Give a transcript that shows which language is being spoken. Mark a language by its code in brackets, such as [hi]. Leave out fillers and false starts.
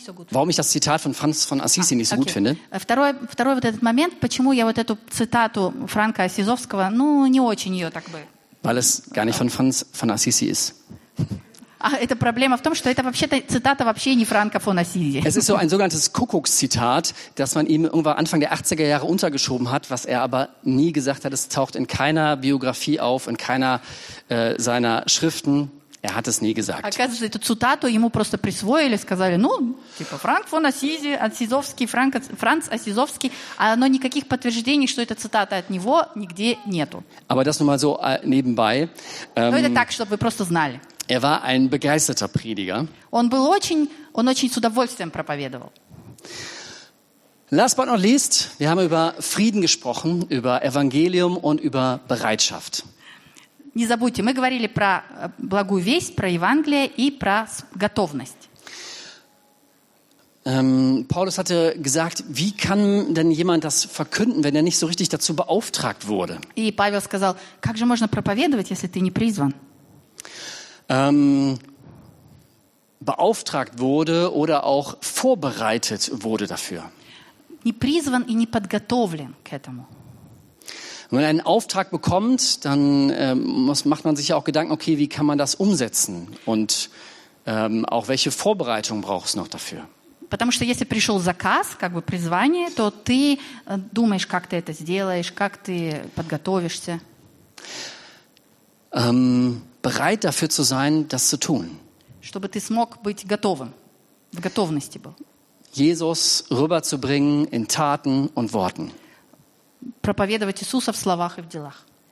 [de] Warum ich das Zitat von Franz von Assisi nicht so gut finde? [ru] Второй вот этот момент, почему я вот эту цитату Франка Ассизовского, ну, не очень ее так бы. [de] Weil es gar nicht von Franz von Assisi ist. [ru] Это проблема в том, что это вообще-то цитата вообще не Франка фон Ассизи. [de] Es ist so ein sogenanntes Kuckuckszitat, das man ihm irgendwann Anfang der 80er Jahre untergeschoben hat, was er aber nie gesagt hat. Es taucht in keiner Biografie auf, in keiner seiner Schriften. Er hat es nie gesagt. [ru] Оказывается, эту цитату ему просто присвоили, сказали, ну, типа, Франк фон Ассизи, Ассизовский, Франц Ассизовский, но никаких подтверждений, что это цитата от него, нигде нету. [de] Aber das nur mal so nebenbei. [ru] Но это так, чтобы вы просто знали. [de] Er war ein begeisterter Prediger. [ru] Он был очень, он очень с удовольствием проповедовал. [en] Last but not least, [de] wir haben über Frieden gesprochen, über Evangelium und über Bereitschaft. [ru] Не забудьте, мы говорили про благую весть, про Евангелие и про готовность. [de] Paulus hatte gesagt, wie kann denn jemand das verkünden, wenn er nicht so richtig dazu beauftragt wurde? [ru] И Павел сказал, как же можно проповедовать, если ты не призван? [de] Beauftragt wurde oder auch vorbereitet wurde dafür. [ru] Не призван и не подготовлен к этому. [de] Wenn man einen Auftrag bekommt, dann macht man sich ja auch Gedanken, okay, wie kann man das umsetzen? Und auch welche Vorbereitung braucht es noch dafür? [ru] Потому что если пришел заказ, как бы призвание, то ты думаешь, как ты это сделаешь, как ты подготовишься. [de] Bereit dafür zu sein, das zu tun. [ru] Чтобы ты смог быть готовым, в готовности был. [de] Jesus rüberzubringen in Taten und Worten. [ru] Проповедовать Иисуса в словах и в делах.